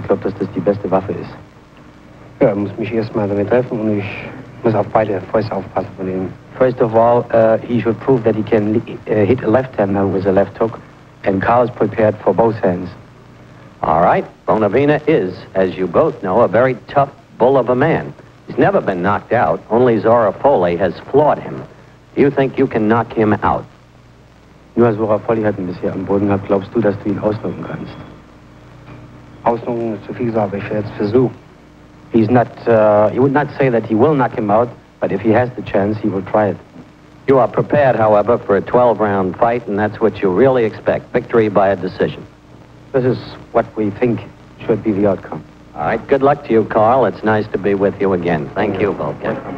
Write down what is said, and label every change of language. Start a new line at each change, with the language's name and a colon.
German: Ich glaube, dass das die beste Waffe ist. Ja, muss mich erst mal damit treffen und ich muss auf beide Fäuste aufpassen von ihm.
English: First of all, he should prove that he can hit a left hand with a left hook, and Karl is prepared for both hands. All right, Bonavena is, as you both know, a very tough bull of a man. He's never been knocked out. Only Zora Foley has floored him. Do you think you can knock him out?
German: Nur Zora Foley hat ihn bisher am Boden gehabt. Glaubst du, dass du ihn ausnocken kannst? Ausnocken ist zu viel gesagt, aber ich werde es versuchen.
English: He's not, he would not say that he will knock him out, but if he has the chance, he will try it. You are prepared, however, for a 12-round fight, and that's what you really expect, victory by a decision. This is what we think should be the outcome. All right, good luck to you, Karl. It's nice to be with you again. Thank you, Wolfgang.